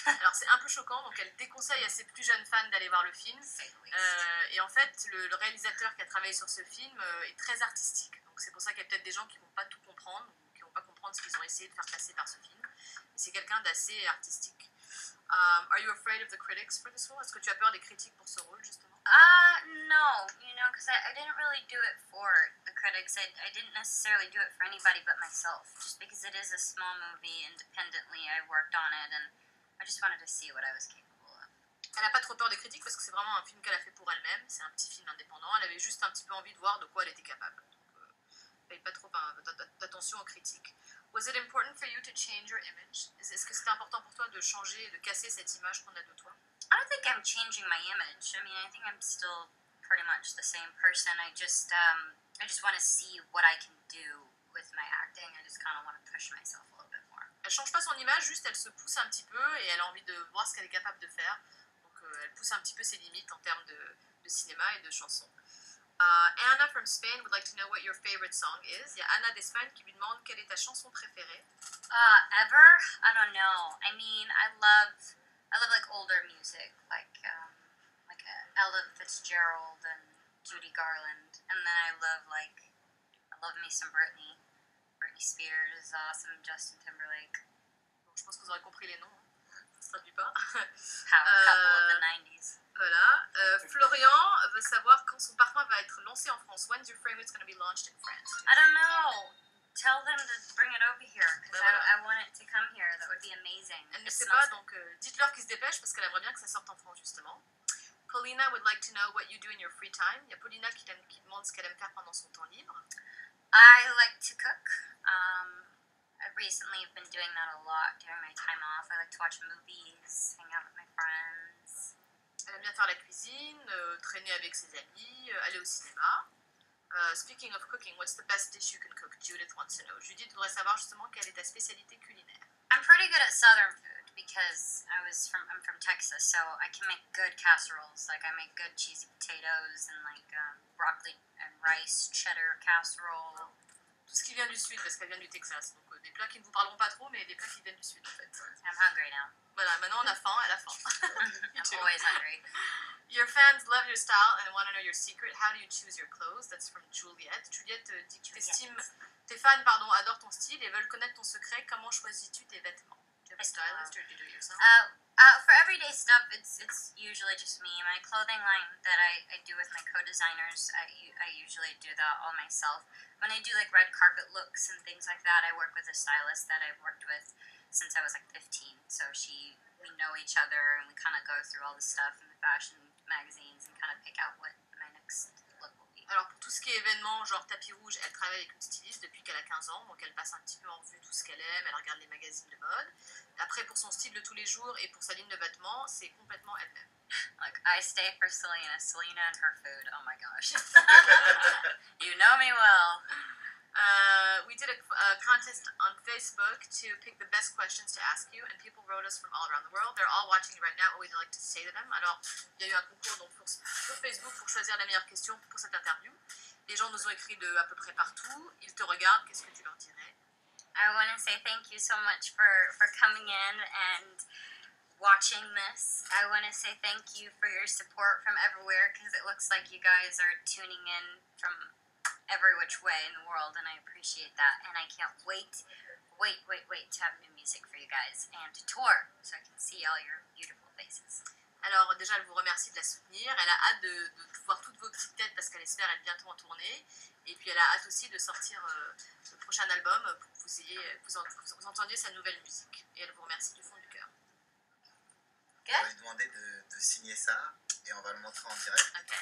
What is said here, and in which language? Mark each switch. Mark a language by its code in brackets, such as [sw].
[fr] Alors c'est un peu choquant, donc elle déconseille à ses plus jeunes fans d'aller voir le film. Et en fait, le réalisateur qui a travaillé sur ce film est très artistique. Donc c'est pour ça qu'il y a peut-être des gens qui vont pas tout comprendre, ou qui vont pas comprendre ce qu'ils ont essayé de faire passer par ce film. Et c'est quelqu'un d'assez artistique. [en] Are you afraid of the critics for this role? [fr] Est-ce que tu as peur des critiques pour ce rôle, justement? [en] No, you know, because I didn't really do it for the critics. I didn't necessarily do it for anybody but myself. Just because it is a small movie, independently, I worked on it, and I just wanted to see what I was capable of. [fr] Elle a pas trop peur des critiques parce que c'est vraiment un film qu'elle a fait pour elle-même. C'est un petit film indépendant. Elle avait juste un petit peu envie de voir de quoi elle était capable. Donc, paye pas trop d'attention aux critiques. [en] Was it important for you to change your image? [fr] Est-ce que c'était important pour toi de changer, de casser cette image qu'on a de toi? [en] I don't think I'm changing my image. I mean, I think I'm still pretty much the same person. I just want to see what I can do with my acting. I just kind of want to push myself a little bit more. [fr] Elle change pas son image, juste elle se pousse un petit peu et elle a envie de voir ce qu'elle est capable de faire. Donc elle pousse un petit peu ses limites en termes de cinéma et de chansons. [en] Anna from Spain would like to know what your favorite song is. [fr] Yeah, Anna d'Espagne qui lui demande quelle est ta chanson préférée. [en] Ever? I don't know. I mean, I love like older music, like Ella Fitzgerald and Judy Garland, and then I love me some Britney. Britney Spears is awesome. Justin Timberlake. [fr] Je pense que vous aurez compris les noms. Ça se traduit pas. [en] Power couple of the 90s. [fr] Voilà. Florian veut savoir quand son parfum va être lancé en France. [en] When's your fragrance going to be launched in France? I don't know. Tell them to bring it over here. I want it to come here. That would be amazing. [fr] Elle ne sait pas, donc dites-leur qu'ils se dépêchent parce qu'elle aimerait bien que ça sorte en France, justement. [en] Paulina would like to know what you do in your free time. [fr] Il y a Paulina qui demande ce qu'elle aime faire pendant son temps libre. [en] I like to cook. I recently have been doing that a lot during my time off. I like to watch movies, hang out with my friends. [fr] Elle aime bien faire la cuisine, traîner avec ses amis, aller au cinéma. [en] Speaking of cooking, what's the best dish you can cook? Judith wants to know. [fr] Judith voudrait savoir justement quelle est ta spécialité culinaire. [en] I'm pretty good at southern food because I'm from Texas, so I can make good casseroles. Like I make good cheesy potatoes and like broccoli and rice cheddar casserole. [fr] Tout ce qui vient du sud, parce qu'elle vient du Texas. Donc des plats qui ne vous parleront pas trop, mais des plats qui viennent du sud en fait. [en] I'm hungry now. [fr] Voilà, maintenant on a faim, elle a faim. [en] I'm always hungry. Your fans love your style and want to know your secret. How do you choose your clothes? That's from Juliet. [fr] Juliet dit que tes fans adorent ton style et veulent connaître ton secret. Comment choisis-tu tes vêtements? [en] Do you have a stylist or do you do it yourself? For everyday stuff, it's usually just me. My clothing line that I do with my co-designers, I usually do that all myself. When I do like red carpet looks and things like that, I work with a stylist that I've worked with since I was like 15. So we know each other and we kind of go through all the stuff in the fashion magazines and kind of pick out what my next look will be. [fr] Alors pour tout ce qui est événement, genre tapis rouge, elle travaille avec une styliste depuis qu'elle a 15 ans, donc elle passe un petit peu en vue tout ce qu'elle aime, elle regarde les magazines de mode. Après pour son style de tous les jours et pour sa ligne de vêtements, c'est complètement elle-même. [en] Like I stay for Selena, Selena and her food. Oh my gosh. You know me well. We did a contest on Facebook to pick the best questions to ask you, and people wrote us from all around the world. They're all watching right now, but we'd like to say to them. [fr] Alors, il y a eu un concours donc pour Facebook pour choisir la meilleure question pour cette interview. Les gens nous ont écrit de à peu près partout. Ils te regardent. Qu'est-ce que tu leur dirais? [en] I want to say thank you so much for coming in and watching this. I want to say thank you for your support from everywhere because it looks like you guys are tuning in from every which way in the world, and I appreciate that. And I can't wait to have new music for you guys and to tour so I can see all your beautiful faces. [fr] Alors déjà, elle vous remercie de la soutenir. Elle a hâte de voir toutes vos petites têtes parce qu'elle espère être bientôt en tournée. Et puis elle a hâte aussi de sortir le prochain album pour que vous entendiez sa nouvelle musique. Et elle vous remercie du fond du cœur. [en] Okay. [fr] On va lui demander de signer ça et on va le montrer en direct.